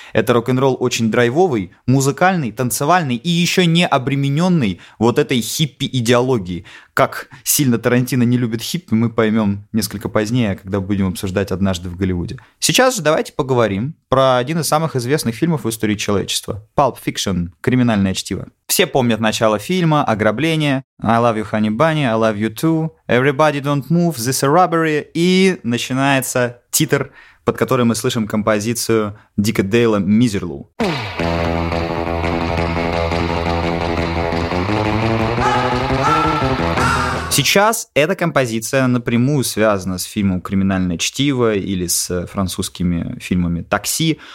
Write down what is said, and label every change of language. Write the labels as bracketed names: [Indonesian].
[Russian] Это рок-н-ролл очень драйвовый, музыкальный, танцевальный и еще не обремененный вот этой хиппи-идеологией. Как сильно Тарантино не любит хиппи, мы поймем несколько позднее, когда будем обсуждать «Однажды в Голливуде». Сейчас же давайте поговорим про один из самых известных фильмов в истории человечества. Pulp Fiction. Криминальное чтиво. Все помнят начало фильма, ограбление. [English] I love you, honey bunny, I love you too. Everybody don't move, this a robbery. [Russian] И начинается титр, под который мы слышим композицию Дика Дейла «Мизерлу». Сейчас эта композиция напрямую связана с фильмом «Криминальное чтиво» или с французскими фильмами «Такси».